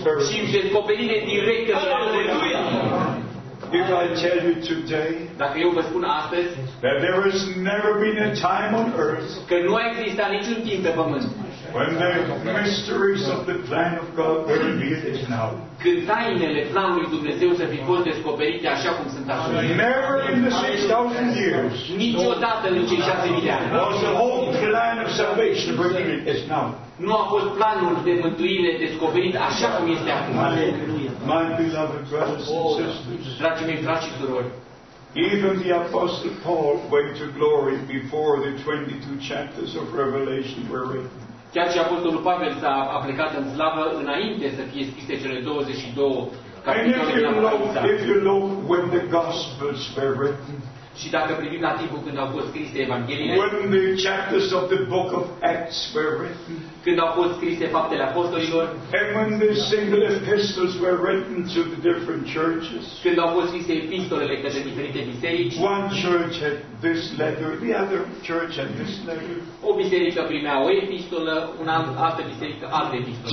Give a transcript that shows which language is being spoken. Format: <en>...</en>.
<ro>Și descoperire directă de la Dumnezeu.</ro> <en>If I tell you today,</en> <ro>dacă eu vă spun astăzi,</ro> <en>that there has never been a time on earth,</en> <ro>că nu a existat niciun timp pe pământ,</ro> <en>when the mysteries of the plan of God were revealed now,</en> <ro>când tainele planului Dumnezeu să fi fost descoperite așa cum sunt acum,</ro> <en>never in the 6,000 years,</en> <ro>niciodată în cei 6,000 de ani,</ro> <en>was the whole plan of salvation revealed as now.</en> <ro>Nu a fost planul de mântuire descoperit așa cum este acum.</ro> <en>My beloved brothers and sisters,</en> <ro>dragii mei frați și surori,</ro> <en>even the apostle Paul went to glory before the 22 chapters of Revelation were written.</en> <ro>Chiar și apostolul Pavel s-a plecat în slavă înainte să fie scrise cele 22 capitole.</ro> <en>If you look when the gospels were written.</en> <ro>Și dacă privim la timpul când au fost scrise evangheliile.</ro> <en>When the chapters of the book of Acts were written.</en> <ro>Când au fost scrise faptele apostolilor.</ro> <en>And when the single epistles were written to the different churches.</en> <ro>Când au fost scrise epistolele către diferite biserici.</ro> <en>One church had this letter, the other church had this letter.</en> <ro>O biserică primea o epistolă, una altă biserică alte epistole.</ro>